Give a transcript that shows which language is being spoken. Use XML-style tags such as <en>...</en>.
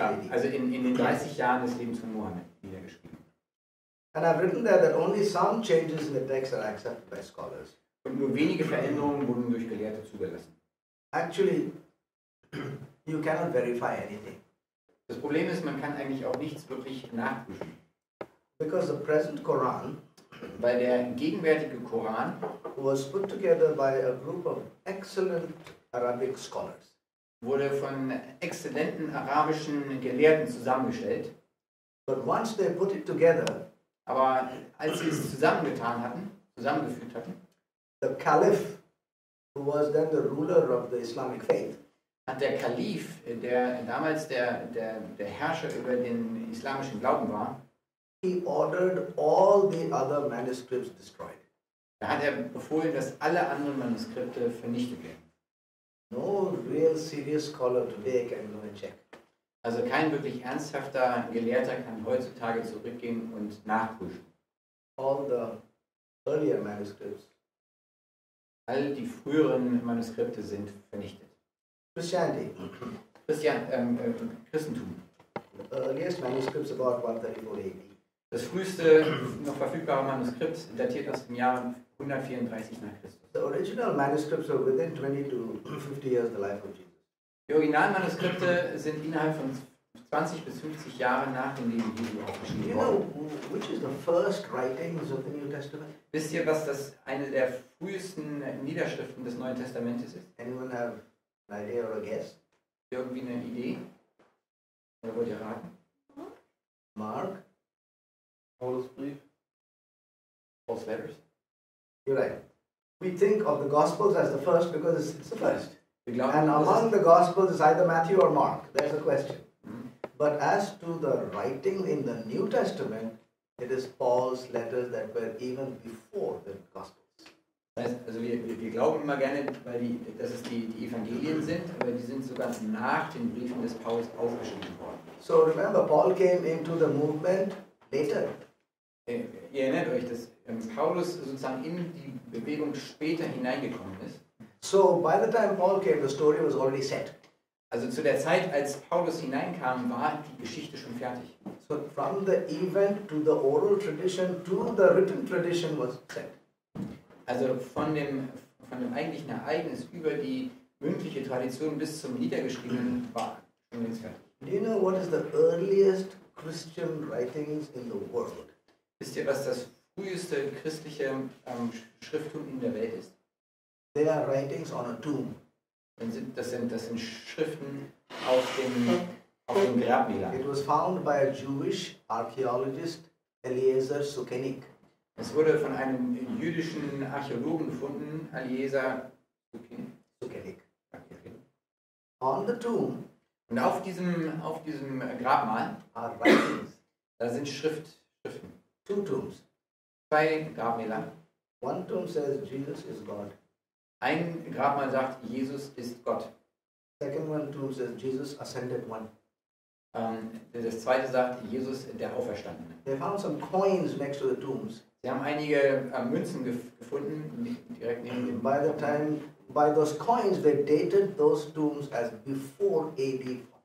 <de>Also in den 30 Jahren des Lebens von Mohammed niedergeschrieben.</de> <en>And I've written there that only some changes in the text are accepted by scholars.</en> <de>Und nur wenige Veränderungen wurden durch Gelehrte zugelassen.</de> <en>Actually, you cannot verify anything.</en> <de>Das Problem ist, man kann eigentlich auch nichts wirklich nachprüfen.</de> <en>Because the present Quran,</en> <de>weil der gegenwärtige Koran,</de> <en>was put together by a group of excellent Arabic scholars,</en> <de>wurde von exzellenten arabischen Gelehrten zusammengestellt.</de> <en>But once they put it together,</en> <de>aber als sie es zusammengetan hatten, zusammengeführt hatten,</de> <en>the Caliph, who was then the ruler of the Islamic faith,</en> <de>hat der Kalif, der damals der Herrscher über den islamischen Glauben war,</de> <en>he ordered all the other manuscripts destroyed.</en> <de>Da hat er befohlen, dass alle anderen Manuskripte vernichtet werden.</de> <en>No real serious scholar today can go and check.</en> <de>Also kein wirklich ernsthafter Gelehrter kann heutzutage zurückgehen und nachprüfen.</de> <en>All the earlier manuscripts.</en> <de>All die früheren Manuskripte sind vernichtet.</de> <en>Christianity.</en> <de>Christentum.</de> <en>The earliest manuscripts about 134 AD.</en> <de>Das früheste noch verfügbare Manuskript datiert aus dem Jahr 134 nach Christus.</de> <en>The original manuscripts are within 20 to 50 years the life of Jesus.</en> <de>Die Originalmanuskripte sind innerhalb von 20 bis 50 Jahren nach dem Leben Jesu aufgeschrieben worden.</de> <en>You know, which is the first writings of the New Testament?</en> <de>Wisst ihr, was das eine der frühesten Niederschriften des Neuen Testamentes ist?</de> <en>Anyone have an idea or a guess?</en> <de>Irgendwie eine Idee? Oder wollt ihr raten?</de> <en>Mark?</en> <de>Paul's brief,</de> <en>Paul's letters. You're right. We think of the Gospels as the first because it's the first.</en> <de>We glaub,</de> <en>and among the Gospels is either Matthew or Mark. There's a question. Mm-hmm. But as to the writing in the New Testament, it is Paul's letters that were even before the Gospels.</en> <de>Also wir glauben immer gerne, dass es die Evangelien sind, aber die sind sogar nach den Briefen des Paulus aufgeschrieben worden.</de> <en>So remember, Paul came into the movement later.</en> <de>Ihr erinnert euch, dass Paulus sozusagen in die Bewegung später hineingekommen ist.</de> <en>So, by the time Paul came, the story was already set.</en> <de>Also zu der Zeit, als Paulus hineinkam, war die Geschichte schon fertig.</de> <en>So, from the event to the oral tradition to the written tradition was set.</en> <de>Also von dem eigentlichen Ereignis über die mündliche Tradition bis zum Niedergeschriebenen war schon jetzt fertig.</de> <en>Do you know what is the earliest Christian writings in the world?</en> <de>Wisst ihr, was das früheste christliche Schrifttum der Welt ist.</de> <en>They are writings on a tomb.</en> <de>Das sind Schriften auf dem Grabmäler.</de> <en>It was found by a Jewish archaeologist Eliezer Sukenik.</en> <de>Es wurde von einem jüdischen Archäologen gefunden, Eliezer Sukenik.</de> <en>On the tomb.</en> <de>Und auf diesem Grabmal</de> <en>are writings.</en> <de>Da sind Schriften.</de> <en>Two tombs.</en> <de>Zwei Grabmäler.</de> <en>One tomb says Jesus is God.</en> <de>Ein Grabmal sagt, Jesus ist Gott.</de> <en>Second one tomb says Jesus ascended one.</en> <de>Das zweite sagt, Jesus der Auferstandene.</de> <en>They found some coins next to the tombs.</en> <de>Sie haben einige Münzen gefunden, direkt neben dem.</de> <en>By those coins, they dated those tombs as before AD 41.</en>